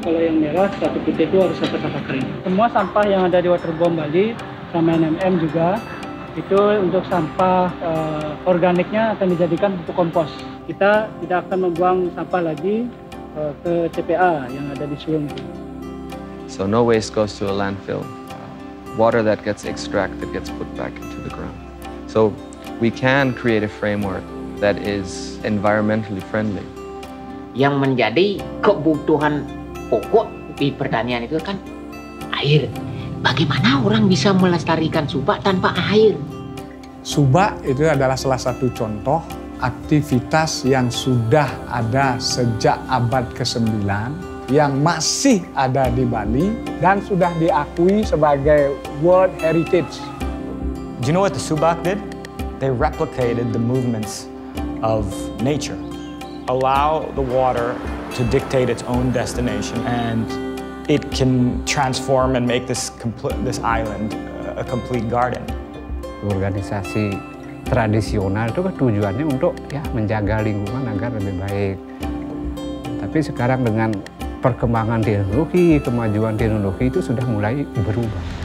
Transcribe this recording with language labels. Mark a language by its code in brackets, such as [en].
[id] Kalau yang merah, satu putih itu harus sampah-sampah kering. Semua sampah yang ada di Water Bomb Bali, sama NMM juga, itu untuk sampah organiknya akan dijadikan pupuk kompos. Kita tidak akan membuang sampah lagi ke TPA yang ada di Sulung. [en] So no waste goes to a landfill. Water that gets extracted gets put back into the ground. So we can create a framework that is environmentally friendly. [id] Yang menjadi kebutuhan pokok di pertanian itu kan air. Bagaimana orang bisa melestarikan sumpah tanpa air? Subak itu adalah salah satu contoh aktivitas yang sudah ada sejak abad ke-9, yang masih ada di Bali, dan sudah diakui sebagai World Heritage. [en] Do you know what the Subak did? They replicated the movements of nature. Allow the water to dictate its own destination, and it can transform and make this island a complete garden. [id] Organisasi tradisional itu tujuannya untuk ya menjaga lingkungan agar lebih baik. Tapi sekarang dengan perkembangan teknologi, kemajuan teknologi itu sudah mulai berubah.